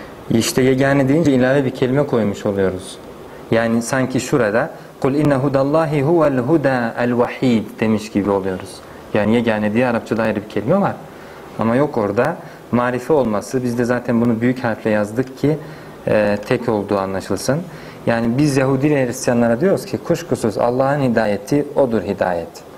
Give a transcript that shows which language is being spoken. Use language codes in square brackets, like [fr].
[tr] İşte yegane deyince ilave bir kelime koymuş oluyoruz. Yani sanki şurada [ar] قُلْ اِنَّ هُدَ اللّٰهِ هُوَ الْهُدَى الْوَح۪يدِ [tr] demiş gibi oluyoruz. Yani yegane diye Arapçada ayrı bir kelime var. Ama yok orada marife olması. Biz de zaten bunu büyük harfle yazdık ki tek olduğu anlaşılsın. Yani biz Yahudi ve Hristiyanlara diyoruz ki kuşkusuz Allah'ın hidayeti odur hidayet.